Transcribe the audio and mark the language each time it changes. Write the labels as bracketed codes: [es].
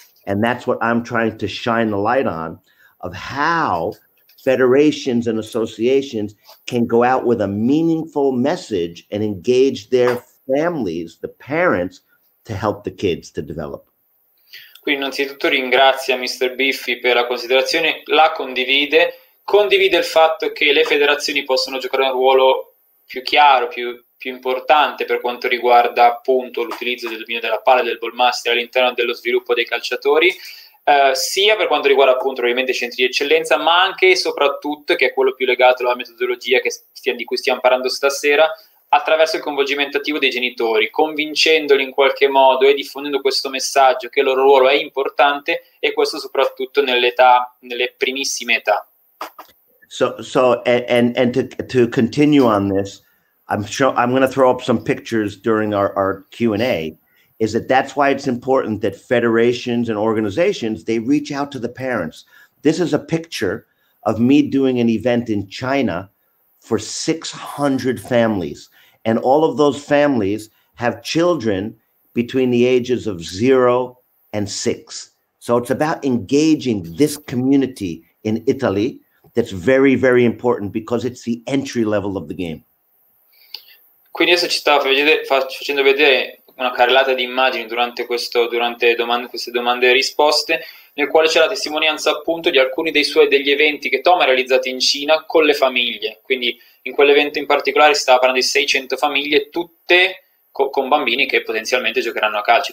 [en] And that's what I'm trying to shine the light on, of how federations and associations can go out with a meaningful message and engage their families, the parents, to help the kids to develop. [it] Quindi innanzitutto ringrazia Mr. Biffi per la considerazione, la condivide il fatto che le federazioni possono giocare un ruolo più chiaro, più importante per quanto riguarda appunto l'utilizzo del dominio della palla, del ball master all'interno dello sviluppo dei calciatori, sia per quanto riguarda appunto ovviamente i centri di eccellenza, ma anche e soprattutto, che è quello più legato alla metodologia di cui stiamo parlando stasera, attraverso il coinvolgimento attivo dei genitori, convincendoli in qualche modo e diffondendo questo messaggio che il loro ruolo è importante, e questo soprattutto nelle primissime età. [en] So to continue on this, I'm going to throw up some pictures during our Q&A, is that that's why it's important that federations and organizations, they reach out to the parents. This is a picture of me doing an event in China for 600 families. And all of those families have children between the ages of 0 and 6. So it's about engaging this community in Italy. That's very, very important because it's the entry level of the game. [it] Quindi adesso ci stavo facendo vedere una carrellata di immagini queste domande e risposte, nel quale c'è la testimonianza appunto di alcuni degli eventi che Tom ha realizzato in Cina con le famiglie. Quindi in quell'evento in particolare stava parlando di 600 famiglie, tutte con bambini che potenzialmente giocheranno a calcio.